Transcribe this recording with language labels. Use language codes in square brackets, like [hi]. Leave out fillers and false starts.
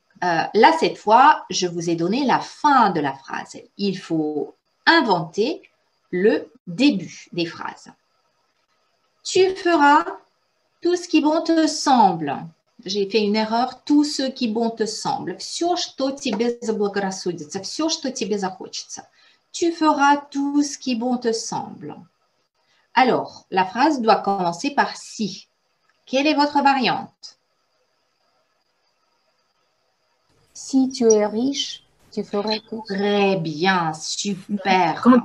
[fr] Là, cette fois, je vous ai donné la fin de la phrase. Il faut inventer le début des phrases. Tu feras tout ce qui bon te semble. J'ai fait une erreur. Tout ce qui bon te semble. [ru] Все, что тебе заблагорассудится. Все, что тебе захочется. [fr] Tu feras tout ce qui bon te semble. Alors, la phrase doit commencer par si. Quelle est votre variante? Si tu es riche, tu feras tout. Très bien, super.